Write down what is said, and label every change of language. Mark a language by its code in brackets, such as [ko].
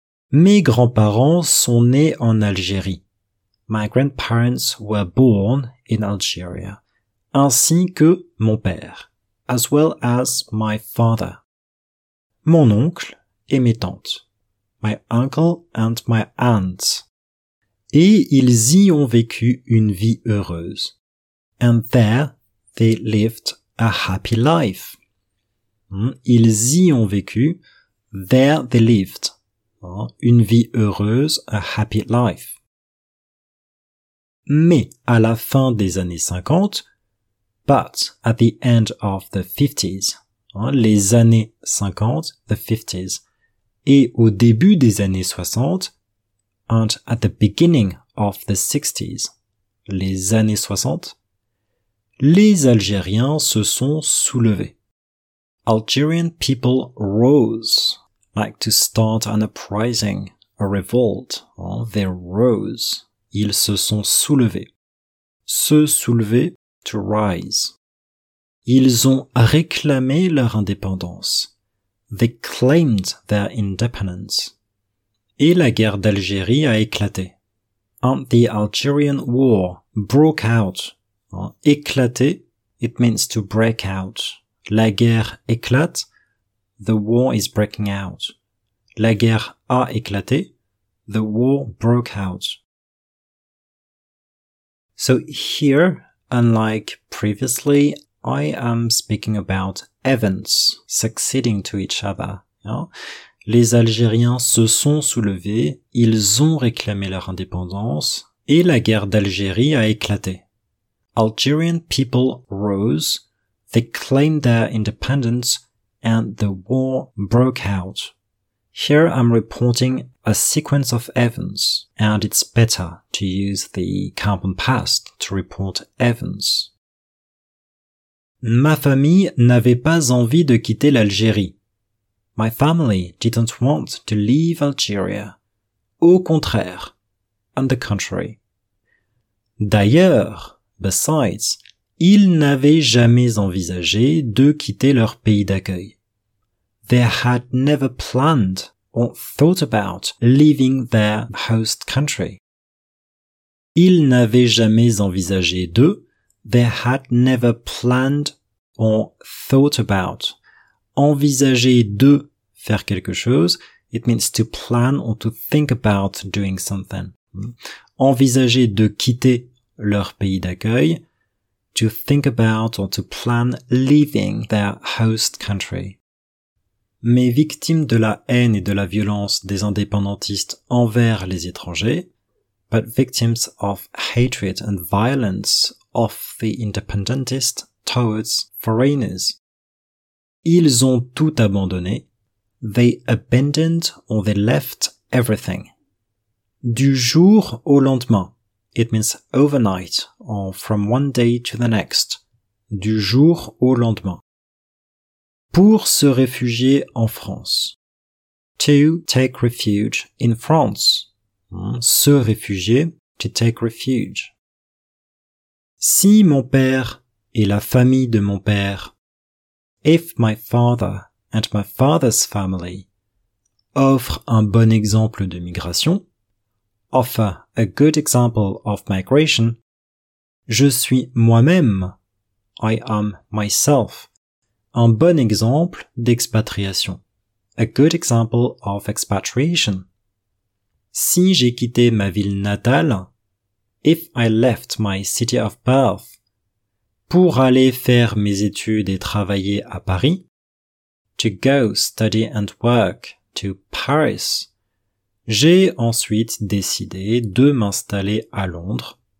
[fr] Mes grands-parents sont nés en Algérie. [en] My grandparents were born in Algeria. [fr] Ainsi que mon père, [en] as well as my father, [fr] mon oncle et mes tantes, [en] my uncle and my aunt. [fr] Et ils y ont vécu une vie heureuse. [en] And there, they lived a happy life. [fr] Ils y ont vécu. [en] There, they lived. [fr] Une vie heureuse, [en] a happy life. [fr] Mais à la fin des années 50, [en] but at the end of the 50s, [fr] les années 50, [en] the 50s, [fr] et au début des années 60, [en] and at the beginning of the 60s, [fr] les années 60, les Algériens se sont soulevés. [en] Algerian people rose, like to start an uprising, a revolt. They rose. [fr] Ils se sont soulevés. Se soulever, [en] to rise. [fr] Ils ont réclamé leur indépendance. [en] They claimed their independence. [fr] Et la guerre d'Algérie a éclaté. [en] And the Algerian war broke out. Éclaté, it means to break out. [fr] La guerre éclate, [en] the war is breaking out. [fr] La guerre a éclaté, [en] the war broke out. So here, unlike previously, I am speaking about events succeeding to each other. [fr] Les Algériens se sont soulevés, ils ont réclamé leur indépendance, et la guerre d'Algérie a éclaté. [en] Algerian people rose, they claimed their independence, and the war broke out. Here I'm reporting a sequence of events, and it's better to use the compound past to report events. [fr] Ma famille n'avait pas envie de quitter l'Algérie. [en] My family didn't want to leave Algeria. [fr] Au contraire, [en] on the contrary. [fr] D'ailleurs, [en] besides, [fr] ils n'avaient jamais envisagé de quitter leur pays d'accueil. [en] They had never planned or thought about leaving their host country. [fr] Ils n'avaient jamais envisagé de. [en] They had never planned or thought about. [fr] Envisager de faire quelque chose. [en] It means to plan or to think about doing something. [fr] Envisager de quitter leur pays d'accueil. [en] To think about or to plan leaving their host country. [fr] Mais victimes de la haine et de la violence des indépendantistes envers les étrangers, [en] but victims of hatred and violence of the independentists towards foreigners. [fr] Ils ont tout abandonné. [en] They abandoned or they left everything. [fr] Du jour au lendemain. [en] It means overnight or from one day to the next. [fr] Du jour au lendemain. Pour se réfugier en France. [en] To take refuge in France. [fr] Se réfugier, [en] to take refuge. [fr] Si mon père et la famille de mon père. [en] If my father and my father's family [fr] offrent un bon exemple de migration. [en] Offer a good example of migration. [fr] Je suis moi-même. [en] I am myself. [fr] Un bon exemple d'expatriation. [en] A good example of expatriation. [fr] Si j'ai quitté ma ville natale, [en] if I left my city of birth, [fr] pour aller faire mes études et travailler à Paris, [en] to go study and work to Paris, [fr] j'ai ensuite décidé de m'installer à Londres.